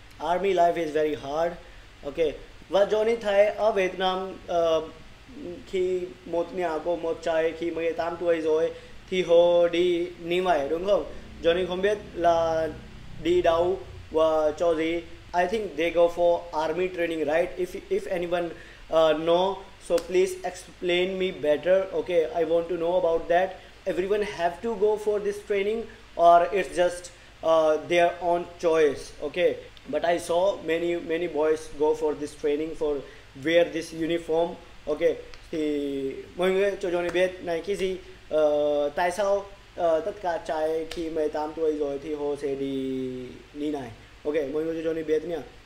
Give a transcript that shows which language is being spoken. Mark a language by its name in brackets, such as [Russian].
[English] Army life is very hard. Okay. [Vietnamese] Và Johnny thấy ở Việt Nam khi một nhà có một trai khi 18 tuổi rồi thì họ đi ni mày đúng không? Johnny không biết là đi đâu và cho gì. [English] I think they go for army training, right? If anyone know, so please explain me better. Okay, I want to know about that. Everyone have to go for this training or it's just their own choice? Okay, but I saw many boys go for this training, for wear this uniform. [Vietnamese] Okay, thì mọi người cho Johnny biết này cái gì. Tại sao tất cả trai khi 18 tuổi rồi thì họ sẽ đi đi này? Ok, mọi người cho Johnny biết nha.